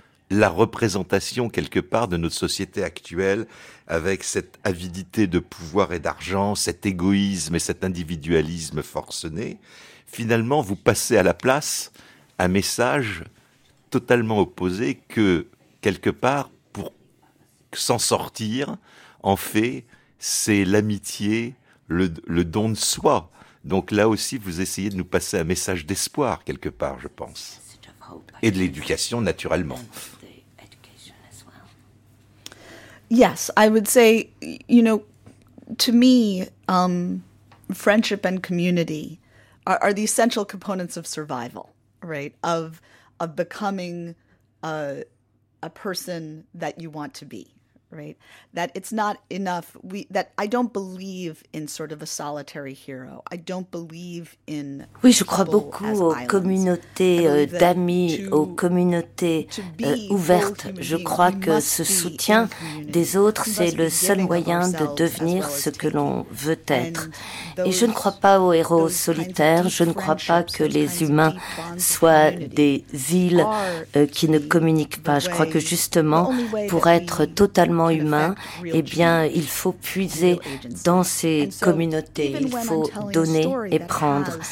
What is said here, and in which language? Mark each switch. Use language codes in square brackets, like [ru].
[fr] la représentation, quelque part, de notre société actuelle, avec cette avidité de pouvoir et d'argent, cet égoïsme et cet individualisme forcené, finalement, vous passez à la place un message totalement opposé que, quelque part, pour s'en sortir, en fait, c'est l'amitié, le don de soi. Donc là aussi, vous essayez de nous passer un message d'espoir, quelque part, je pense. Et de l'éducation, naturellement. [en] Yes, I would say, you know, to me, friendship and community are the essential components of survival, right? Of becoming a person that you want to be, right? That it's not enough. That I don't believe in sort of a solitary hero. I don't believe in. [fr] Oui, je crois beaucoup aux communautés d'amis, aux communautés ouvertes. Je crois que ce soutien des autres, c'est le seul moyen de devenir ce que l'on veut être. Et je ne crois pas aux héros solitaires. Je ne crois pas que les humains soient des îles qui ne communiquent pas. Je crois que justement, pour être totalement humain, eh bien, il faut puiser dans ces communautés, il faut donner et prendre.